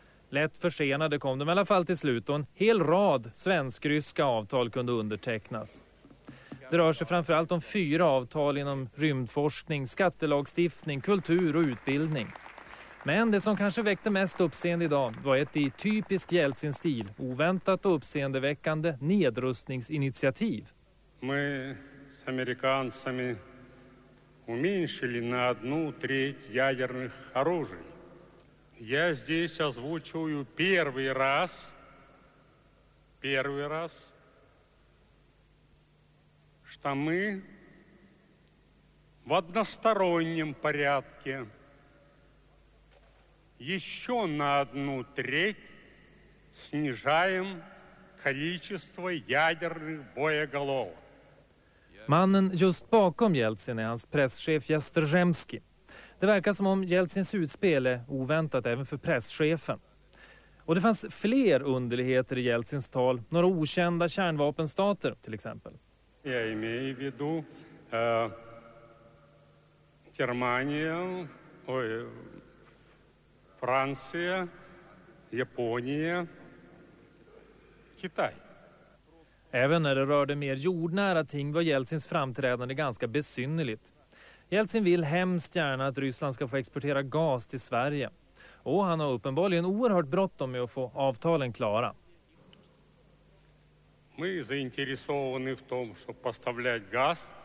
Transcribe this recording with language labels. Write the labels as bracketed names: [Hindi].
[Swedish] Lätt försenade kom de i alla fall till slut och en hel rad svensk-ryska avtal kunde undertecknas. Det rör sig framförallt om 4 avtal inom rymdforskning, skattelagstiftning, kultur och utbildning. Men det som kanske väckte mest uppseende idag var ett i typisk Jeltsin-stil, oväntat och uppseendeväckande nedrustningsinitiativ. [Russian] Мы с американцами уменьшили на 1/3 ядерных оружий. Я здесь озвучиваю первый раз, что мы в одностороннем порядке еще на 1/3 снижаем количество ядерных боеголовок. [Swedish] Mannen just bakom Jeltsin är hans presschef Jastrzemski. Det verkar som om Jeltsins utspel är oväntat även för presschefen. Och det fanns fler underligheter i Jeltsins tal, några okända kärnvapenstater till exempel. Jag menar vidu Tyskland, Frankrike, Japan, Kina. Även när det rörde mer jordnära ting var Jeltsins framträdande ganska besynnerligt. Jeltsin vill hemskt gärna att Ryssland ska få exportera gas till Sverige. Och han har uppenbarligen oerhört bråttom med att få avtalen klara. [Russian] Мы заинтересованы в том, чтобы поставлять газ.